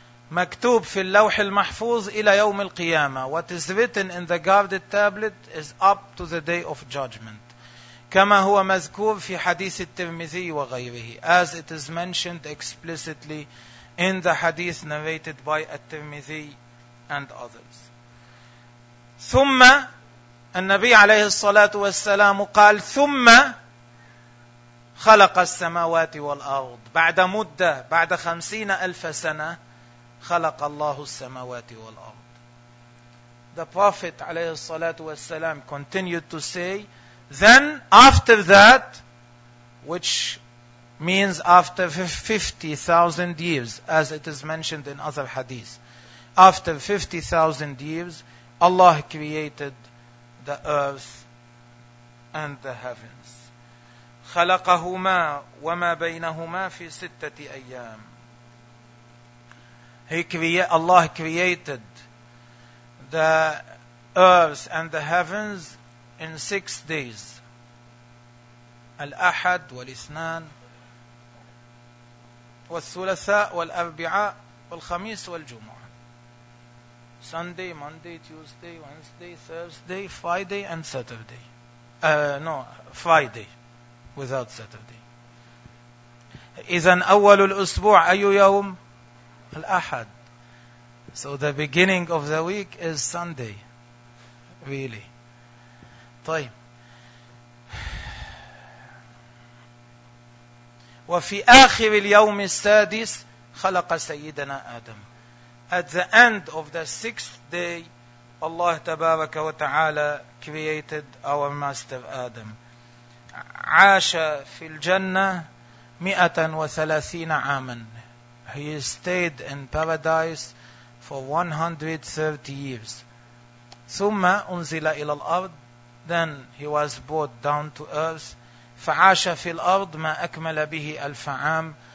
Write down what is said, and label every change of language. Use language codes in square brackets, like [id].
[ar] مكتوب في اللوح المحفوظ إلى يوم القيامة. [en] What is written in the guarded tablet is up to the day of judgment. [ar] كما هو مذكور في حديث الترمذي وغيره. [en] As it is mentioned explicitly in the hadith narrated by الترمذي and others. [ar] ثم النبي عليه الصلاة والسلام قال ثم خلق السماوات والأرض. بعد مدة, بعد 50,000 سنة, خلق الله السماوات والأرض. [en] The Prophet [ar] عليه الصلاة والسلام [en] continued to say, then after that, which means after 50,000 years, as it is mentioned in other hadith, after 50,000 years, Allah created the earth and the heavens. [ar] خلقهما وما بينهما في ستة أيام. [en] Allah created the earth and the heavens in 6 days. [ar] الأحد والإثنان والثلاثاء والأربعاء والخميس والجمعة. [en] Sunday, Monday, Tuesday, Wednesday, Thursday, Friday and Saturday. Friday without Saturday. [ar] إذن أول الأسبوع أي يوم؟ الأحد. [en] So the beginning of the week is Sunday. Really. [ar] طيب. وفي آخر اليوم السادس خلق سيدنا آدم. [en] At the end of the sixth day, Allah [ar] تبارك وتعالى [en] created our master Adam. [ar] عاش في الجنة 130 عاما. [en] He stayed in paradise for 130 years. [ar] ثم أنزل إلى الأرض. [en] Then he was brought down to earth. [ar] فعاش في الأرض ما أكمل به 1,000 عام.